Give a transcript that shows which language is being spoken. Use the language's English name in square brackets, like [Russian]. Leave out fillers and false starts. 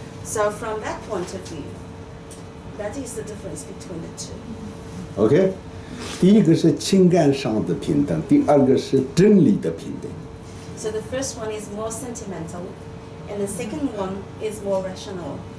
[English] So from that point of view, that is the difference between the two. Okay. [Chinese] 第一个是情感上的平等，第二个是真理的平等。 [English] So the first one is more sentimental, and the second one is more rational.